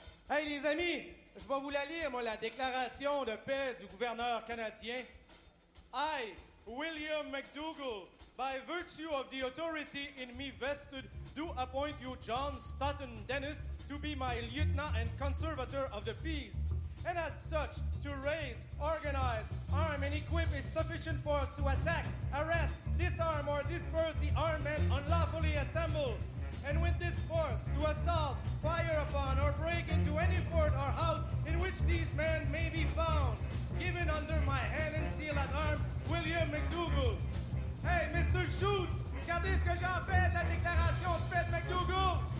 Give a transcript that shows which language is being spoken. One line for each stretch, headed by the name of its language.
French: Hey les amis, je vais vous la lire, moi, la déclaration de paix du gouverneur canadien.
English: I, William McDougall, by virtue of the authority in me vested, do appoint you John Stoughton Dennis to be my lieutenant and conservator of the peace. and as such, to raise, organize, arm, and equip a sufficient force to attack, arrest, disarm, or disperse the armed men unlawfully assembled, and with this force to assault, fire upon, or break into any fort or house in which these men may be found, given under my hand and seal at arms, William McDougal. Hey, Mr.
French: Schultz, regardez ce que j'ai fait, la déclaration faite, McDougal!